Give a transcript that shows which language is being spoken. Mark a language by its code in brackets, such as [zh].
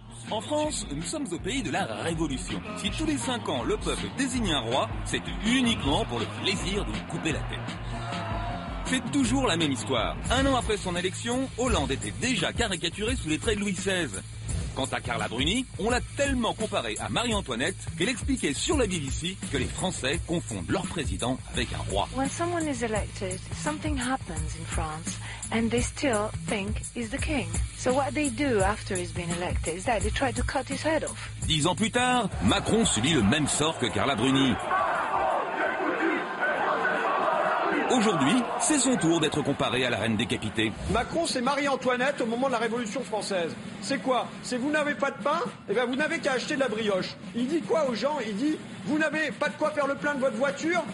[fr] En France, nous sommes au pays de la Révolution. Si tous les 5 ans, le peuple désigne un roi, c'est uniquement pour le plaisir de lui couper la tête. C'est toujours la même histoire. Un an après son élection, Hollande était déjà caricaturé sous les traits de Louis XVI. Quant à Carla Bruni, on l'a tellement comparée à Marie-Antoinette qu'elle expliquait sur la BBC que les Français confondent leur président avec un roi. [en] When someone is elected, something happens in France and they still think he's the king. So what they do after he's been elected is that they try to cut his head off. [fr] 10 ans plus tard, Macron subit le même sort que Carla Bruni. Aujourd'hui, c'est son tour d'être comparé à la reine décapitée. Macron, c'est Marie-Antoinette au moment de la Révolution française. C'est quoi? C'est vous n'avez pas de pain? Eh bien, vous n'avez qu'à acheter de la brioche. Il dit quoi aux gens? Il dit, vous n'avez pas de quoi faire le plein de votre voiture?